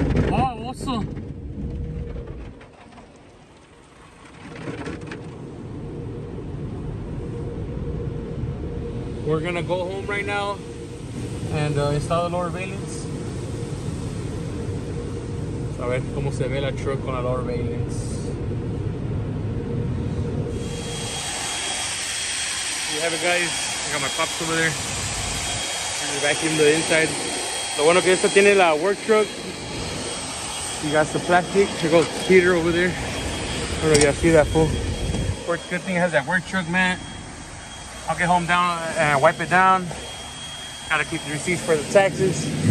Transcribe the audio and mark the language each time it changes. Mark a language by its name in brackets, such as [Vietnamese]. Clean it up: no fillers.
[English] Oh, what's up? We're gonna go home right now and install the lower valance. [Spanish] A ver cómo se ve la truck con la lower valance. [English] Here you have it, guys. I got my pops over there. And we vacuum the inside. [Spanish] Lo bueno que esta tiene la work truck. [English] You got the plastic. Here goes Peter over there. I don't know if y'all see that, fool. Good thing it has that work truck, man. I'll get home down and wipe it down. Gotta keep the receipts for the taxes.